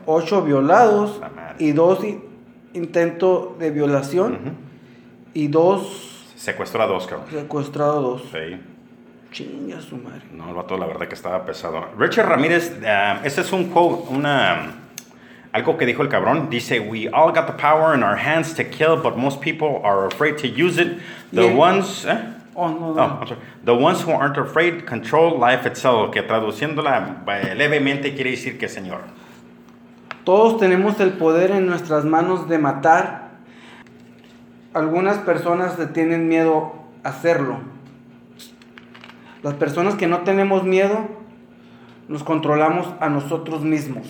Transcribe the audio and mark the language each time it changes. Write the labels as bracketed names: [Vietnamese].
[Spanish] 8 violados. Y 2 intentos de violación. Uh-huh. Y 2... Secuestró a 2, cabrón. Secuestrado a 2. Sí. Chinga su madre. No, el vato, la verdad que estaba pesado. Richard Ramírez, este es un quote, algo que dijo el cabrón. Dice, [English] we all got the power in our hands to kill, but most people are afraid to use it. The ones who aren't afraid control life itself. [Spanish] Que traduciéndola levemente quiere decir que, señor, todos tenemos el poder en nuestras manos de matar. Algunas personas le tienen miedo a hacerlo. Las personas que no tenemos miedo, nos controlamos a nosotros mismos.